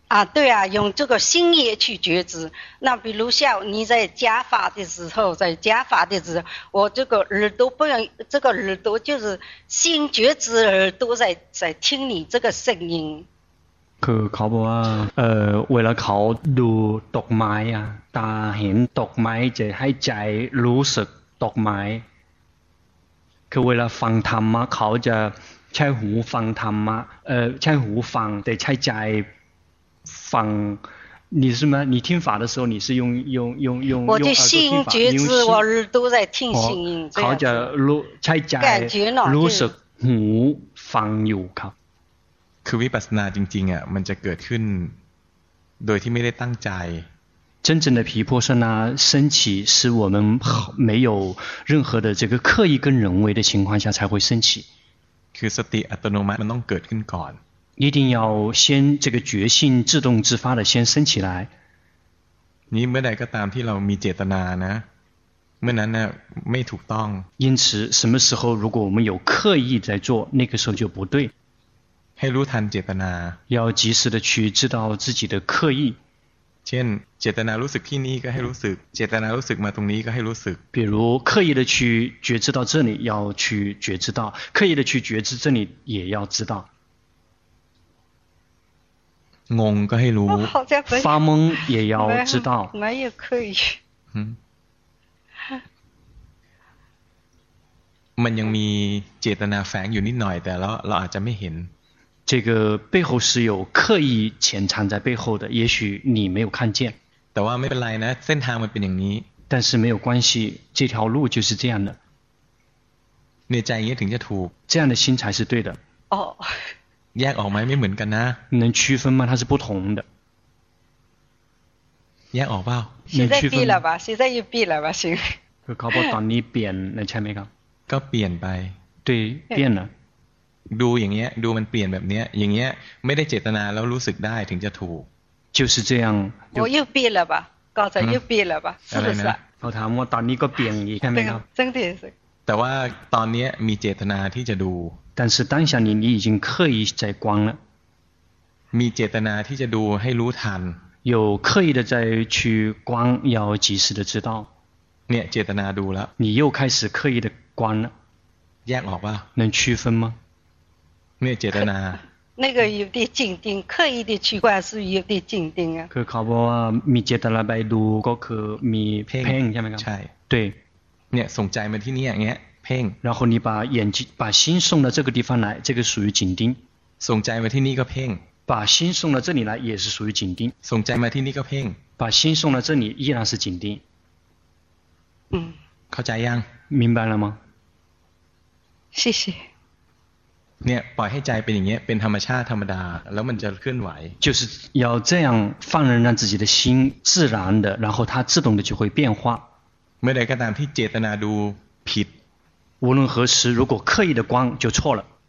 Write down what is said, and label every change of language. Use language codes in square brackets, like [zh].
[zh] 啊，对啊，用这个心眼去觉知。那比如像你在加法的时候，在加法的时候，我这个耳朵不用，这个耳朵就是心觉知耳朵在听你这个声音。 그가보아为了考读读麦呀，打很读麦，就还在如实读麦。可为了放他吗？考着。 [th] ใช้หูฟังธรรมะใช้หูฟังแต่ใช้ใจฟัง [zh] 你是吗你听法的时候你是用我的心觉知我耳朵在听声音这样子好像 [th] ใช้ใจรู้สึกหูฟังอยู่ครับ คือวิปัสสนาจริงๆอ่ะมันจะเกิดขึ้นโดยที่ไม่ได้ตั้งใจ [zh] 真正的毗婆舍那升起是我们没有任何的这个刻意跟人为的情况下才会升起 [th] คือสติอัตโนมัติมันต้องเกิดขึ้นก่อน [zh] 一定要先这个觉性自动自发的先升起来 [th] นี่เมื่อใดก็ตามที่เรามีเจตนานะเมื่อนั้นน่ะไม่ถูกต้อง [zh] 因此什么时候如果我们有刻意在做那个时候就不对 [th] ให้รู้ทันเจตนา [zh] 要及时的去知道自己的刻意 [th] เช่นเจตนารู้สึกที่นี่ก็ให้รู้สึกเจตนารู้สึกมาตรงนี้ก็ให้รู้สึก [zh] 比如刻意的去觉知到这里要去觉知到刻意的去觉知这里也要知道 [th] งงก็ให้รู้ [zh] 发懵也要知道没有刻意 [th] มันยังมีเจตนาแฝงอยู่นิดหน่อยแต่เราอาจจะไม่เห็น [zh] 这个背后是有刻意潜藏在背后的，也许你没有看见。 [th] แต่ว่าไม่เป็นไรนะเส้นทางมันเป็นอย่างนี้ [zh] 但是没有关系，这条路就是这样的。 [th] เนี่ยใจเงี้ยถึงจะถูก [zh] 这样的心才是对的。哦。 [th] แยกออกไหมไม่เหมือนกันนะ [zh] 能区分吗？它是不同的。 [th] แยกออกเปล่า [zh] 能区分了吧？现在又变了吧？行。 [th] คือเขาบอกตอนนี้เปลี่ยนใช่ไหมครับ？ ก็เปลี่ยนไป [zh] 对，变了。 [th] ดูอย่างเงี้ยดูมันเปลี่ยนแบบเนี้ยอย่างเงี้ยไม่ได้เจตนาแล้วรู้สึกได้ถึงจะถูก [zh] 就是这样我又变了吧刚才又变了吧是不是 [th] เขาถามว่าตอนนี้ก็เปลี่ยนอีกใช่ไหมครับ [zh] 真的是 [th] แต่ว่าตอนเนี้ยมีเจตนาที่จะดู [zh] 但是当下你已经刻意在观了 [th] มีเจตนาที่จะดูให้รู้ทัน [zh] 有刻意的在去观要及时的知道 [th] เนี่ยเจตนาดูแล้ว [zh] 你又开始刻意的观了 [th] แยกออกป่ะ [zh] 能区分吗 [th] เนี่ยเจตนา [zh] 那个有点静定刻意的去观是有点静定啊 [th] คือเขาบอกว่ามีเจตนาไปดูก็คือมีเพ่งใช่ไหมครับ ใช่ [zh] 对 [th] เนี่ยส่งใจมาที่นี่อย่างเงี้ยเพ่ง [zh] 然后你把眼睛把心送到这个地方来这个属于静定 [th] ส่งใจมาที่นี่ก็เพ่ง [zh] 把心送到这里来也是属于静定 [th] ส่งใจมาที่นี่ก็เพ่ง [zh] 把心送到这里依然是静定 [th] เข้าใจยัง [zh] 明白了吗谢谢 [th] เนี่ยปล่อยให้ใจเป็นอย่างเงี้ยเป็นธรรมชาติธรรมดาแล้วมันจะเคลื่อนไหว [zh] 就是要这样放任让自己的心自然的然后它自动的就会变化 [th] เมื่อใดก็ตามที่เจตนาดูผิด [zh] 无论何时如果刻意的观就错了